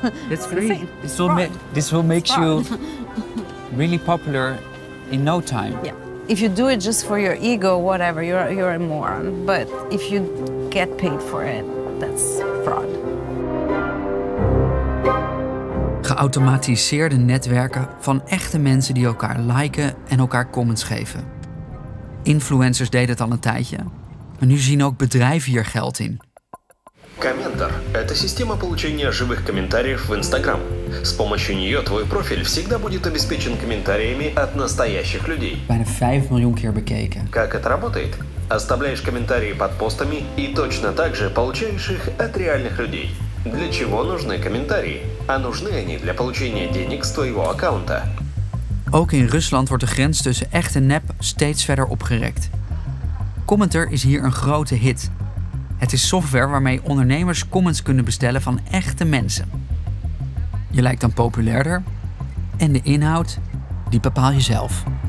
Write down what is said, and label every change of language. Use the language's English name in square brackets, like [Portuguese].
[English] It's crazy. This will make you really popular in no time. Yeah. If you do it just for your ego, whatever, you're a moron. But if you get paid for it, that's fraud. [Dutch] Geautomatiseerde netwerken van echte mensen die elkaar liken en elkaar comments geven. Influencers deden het al een tijdje. Maar nu zien ook bedrijven hier geld in. [Russian] Комментор – это система получения живых комментариев в Instagram. С помощью нее твой профиль всегда будет обеспечен комментариями от настоящих людей. [Dutch] Bijna 5 miljoen keer bekeken. [Russian] Как это работает? Оставляешь комментарии под постами и точно так же получаешь их от реальных людей. Для чего нужны комментарии? А нужны они для получения денег с твоего аккаунта. [Dutch] Ook in Rusland wordt de grens tussen echt en nep steeds verder opgerekt. Commenter is hier een grote hit. Het is software waarmee ondernemers comments kunnen bestellen van echte mensen. Je lijkt dan populairder. En de inhoud, die bepaal je zelf.